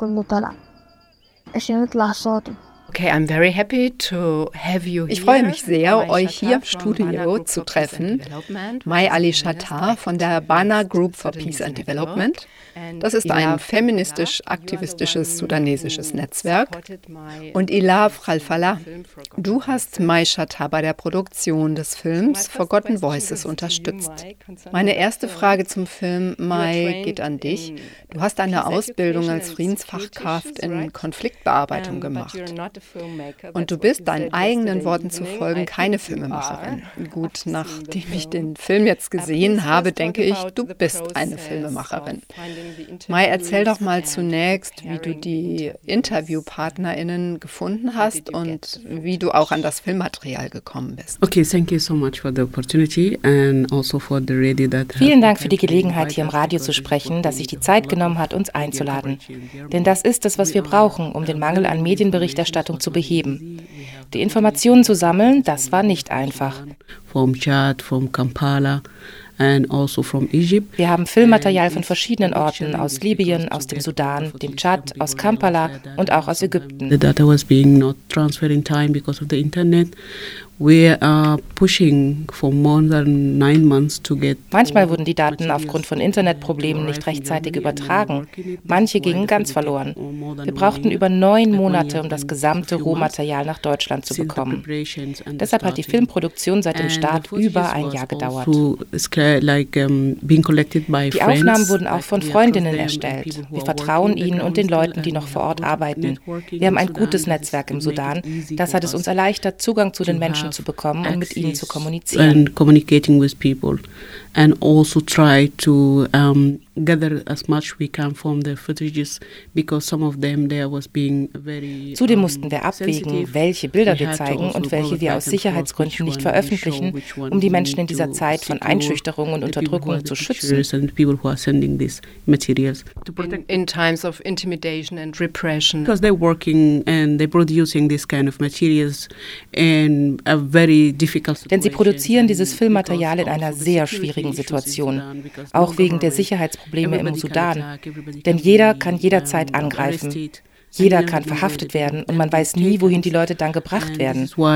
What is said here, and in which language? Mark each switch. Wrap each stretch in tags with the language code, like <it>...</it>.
<en>Okay, I'm very happy to have you here.</en> <de>Ich freue mich sehr, euch hier im Studio zu treffen. Mai Ali Shatar von der Bana Group for Peace and Development. Das ist ein feministisch-aktivistisches sudanesisches Netzwerk. Und Ilav Khalfala, du hast Mai Shatar bei der Produktion des Films Forgotten Voices unterstützt. Meine erste Frage zum Film, Mai, geht an dich. Du hast eine Ausbildung als Friedensfachkraft in Konfliktbearbeitung gemacht. Und du bist deinen eigenen Worten zufolge keine Filmemacherin. Gut, nachdem ich den Film jetzt gesehen habe, denke ich, du bist eine Filmemacherin. Mai, erzähl doch mal zunächst, wie du die InterviewpartnerInnen gefunden hast und wie du auch an das Filmmaterial gekommen bist.</de> <en>Okay, thank you so much for the opportunity and also for the radio that.</en> <de>Vielen Dank für die Gelegenheit, hier im Radio zu sprechen, dass sich die Zeit genommen hat, uns einzuladen. Denn das ist es, was wir brauchen, um den Mangel an Medienberichterstattung zu beheben. Die Informationen zu sammeln, das war nicht einfach. Vom Chad, vom Kampala.</de> <en>And also from Egypt.</en> <de>Wir haben Filmmaterial von verschiedenen Orten, aus Libyen, aus dem Sudan, dem Tschad, aus Kampala und auch aus Ägypten.</de> <en>The data was being not transferred in time because of the internet. We are pushing for more than 9 months to get.</en> <de>Manchmal wurden die Daten aufgrund von Internetproblemen nicht rechtzeitig übertragen. Manche gingen ganz verloren. Wir brauchten über 9 Monate, um das gesamte Rohmaterial nach Deutschland zu bekommen. Deshalb hat die Filmproduktion seit dem Start über ein Jahr gedauert. Die Aufnahmen wurden auch von Freundinnen erstellt. Wir vertrauen ihnen und den Leuten, die noch vor Ort arbeiten. Wir haben ein gutes Netzwerk im Sudan. Das hat es uns erleichtert, Zugang zu den Menschen zu bekommen und mit ihnen zu kommunizieren.</de> <en>And communicating with people and also try to gather as much we can from the footages because some of them there was being very.</en> <de>Zudem mussten wir abwägen, welche Bilder wir zeigen und welche wir aus Sicherheitsgründen nicht veröffentlichen, um die Menschen in dieser Zeit von Einschüchterung und Unterdrückung zu schützen.</de> <en>People who are sending these materials in times of intimidation and repression because they're working and they're producing this kind of materials in a very difficult situation.</en> <de>Denn sie produzieren dieses Filmmaterial in einer sehr schwierigen Situation, auch wegen der Sicherheitsprobleme im Sudan. Denn jeder kann jederzeit angreifen. Jeder kann verhaftet werden und man weiß nie, wohin die Leute dann gebracht werden.</de>